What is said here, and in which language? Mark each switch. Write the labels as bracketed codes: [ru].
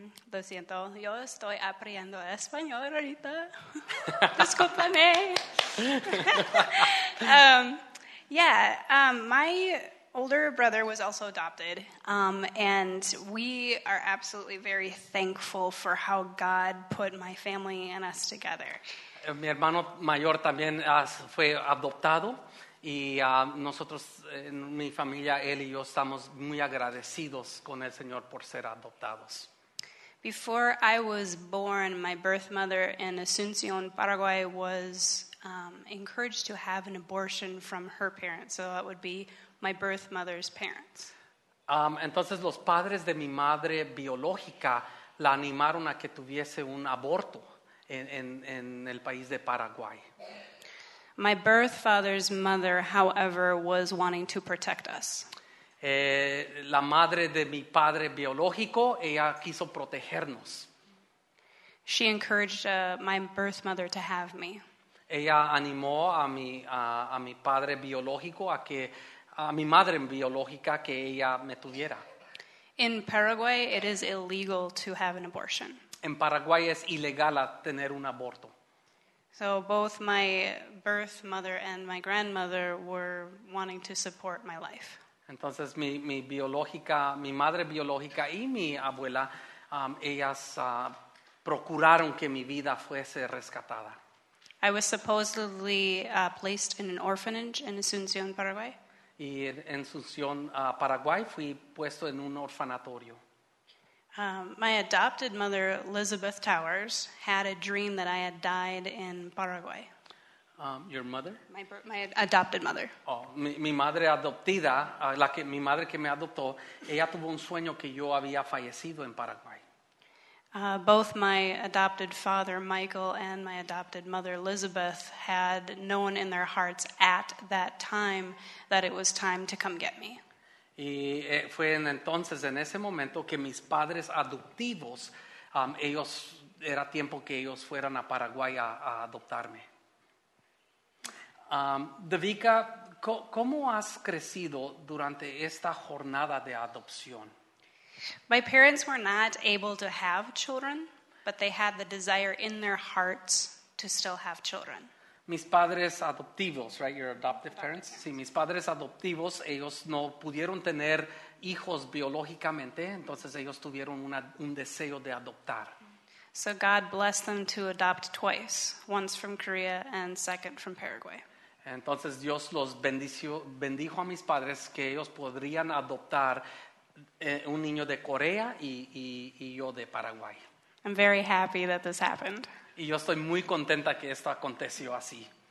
[es] Lo siento, yo estoy aprendiendo español ahorita. Discúlpame. [en] My older brother was also adopted, and we are absolutely very thankful for how God put my family and us together. [es] Mi hermano mayor también fue adoptado y nosotros en mi familia, él y yo, estamos muy agradecidos con el Señor por ser adoptados. [en] Before I was born, my birth mother in Asunción, Paraguay, was encouraged to have an abortion from her parents, so that would be my birth mother's parents. [es] Entonces los padres de mi madre biológica la animaron a que tuviese un aborto en el país de Paraguay. [en] My birth father's mother, however, was wanting to protect us. [es] La madre de mi padre biológico, ella quiso protegernos. [en] She encouraged my birth mother to have me. [es] Ella animó a mi padre biológico a que a mi madre biológica que ella me tuviera. [en] In Paraguay, it is illegal to have an abortion. [es] En Paraguay es ilegal tener un aborto. [en] So both my birth mother and my grandmother were wanting to support my life. [es] Entonces mi biológica, mi madre biológica y mi abuela, ellas procuraron que mi vida fuese rescatada. [en] I was supposedly placed in an orphanage in Asunción, Paraguay. [es] Y en Asunción, Paraguay, fui puesto en un orfanatorio. [en] My adopted mother, Elizabeth Towers, had a dream that I had died in Paraguay. Your mother? My adopted mother. [es] Oh, mi madre adoptida, mi madre que me adoptó, ella tuvo un sueño que yo había fallecido en Paraguay. [en] Both my adopted father, Michael, and my adopted mother, Elizabeth, had known in their hearts at that time that it was time to come get me. [es] Y fue en entonces, en ese momento, que mis padres adoptivos, ellos, era tiempo que ellos fueran a Paraguay a adoptarme. Davika, ¿cómo has crecido durante esta jornada de adopción? [en] My parents were not able to have children, but they had the desire in their hearts to still have children. [es] Mis padres adoptivos, [en] right? Your adoptive parents. [es] Sí, mis padres adoptivos, ellos no pudieron tener hijos biológicamente, entonces ellos tuvieron un deseo de adoptar. [en] So God blessed them to adopt twice, once from Korea and second from Paraguay. [es] Entonces Dios los bendijo a mis padres que ellos podrían adoptar un niño de Corea y yo de Paraguay. [en] I'm very happy that this happened. [es] Y yo estoy muy contenta que esto aconteció así.